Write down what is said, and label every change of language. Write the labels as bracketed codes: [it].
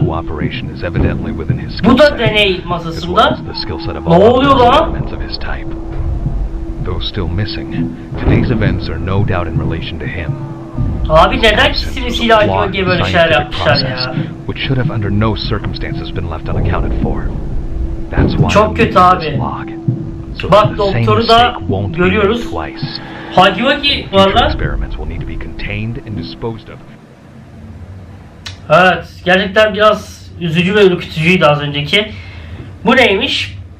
[en] Cooperation is evidently within his skill set. [tr] Bu da deney masasında. [en] The skill set of all elements of his type. Though still missing, today's events are no doubt in relation to him. [tr] Abi neden kisimisiyle acaba gibi böyle şeyler yapmışlar ya? [en] Which should have under no circumstances been left unaccounted for. That's why. [tr] Çok kötü abi. So bak doktoru da görüyoruz. Hadi bakayım valla. [en] Experiments will need to be contained and disposed of. [tr] Evet, gerçekten biraz üzücü ve ürkütücüydü az önceki. Bu neymiş?